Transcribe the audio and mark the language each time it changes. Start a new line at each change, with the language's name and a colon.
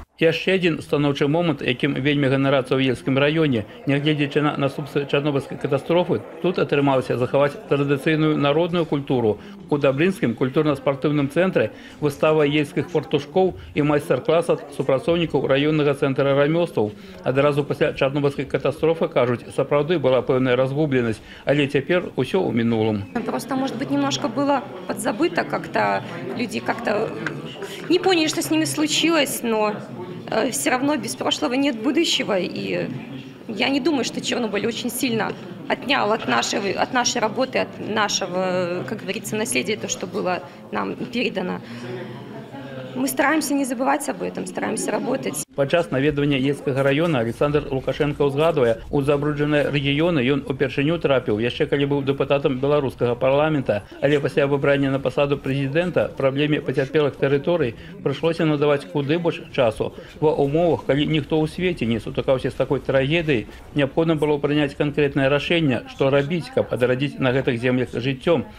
Belarusian: Яшчэ адзін станоўчы момант, якім вельмі ганарацца ў Ельскім раёне, нягледзячы на наступствы чарнобыльскай катастрофы, тут атрымалася захаваць традыцыйную народную культуру. У Добрынскім культурна-спартыўным цэнтры выстава ельскіх фартушкоў і майстар-клас ад супрацоўнікаў раённага цэнтра рамёстваў. Адразу пасля чарнобыльскай катастрофы, кажуць, сапраўды была пэўная разгубленасць, але цяпер усё ў мінулым.
Russian: Просто, может быть, немножко было подзабыта, как-то люди как-то не поняли, что с ними случилось, но все равно без прошлого нет будущего. И я не думаю, что Чернобыль очень сильно отнял от нашей работы, от нашего, как говорится, наследия, то, что было нам передано. Мы стараемся не забывать об этом, стараемся работать.
Belarusian: Падчас наведвання Ельскага района Александр Лукашенко згадвае, у забруджаныя рэгіёны ён упершыню трапіў, яшчэ калі быў дэпутатам беларускага парламента. Але пасля выбрання на пасаду прэзідэнта праблеме пацярпелых тэрыторый прыйшлося надаваць куды больш часу. Ва умовах, калі ніхто ў свеце не сутыкаўся з такой трагедыяй, неабходна было прыняць канкрэтнае рашэнне, што рабіць, каб адрадзіць на гэтых землях жыццём.